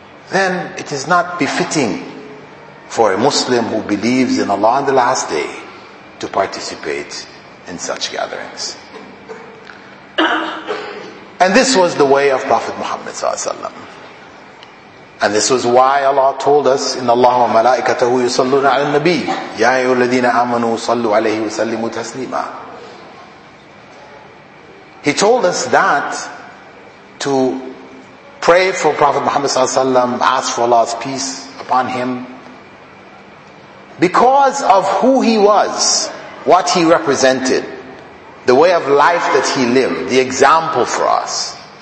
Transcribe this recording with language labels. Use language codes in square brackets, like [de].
[en] then it is not befitting for a Muslim who believes in Allah on the last day to participate in such gatherings. And this was the way of Prophet Muhammad ﷺ. And this was why Allah told us, [ar] إِنَّ اللَّهُ وَمَلَائِكَتَهُ يُصَلُّونَ عَلَى النَّبِيِّ يَا أَيُّهَا الَّذِينَ آمَنُوا صَلُّوا عَلَيْهِ وَسَلِّمُوا تَسْلِيمًا. [en] He told us that to pray for Prophet Muhammad ﷺ, ask for Allah's peace upon him, because of who he was, what he represented, the way of life that he lived, the example for us.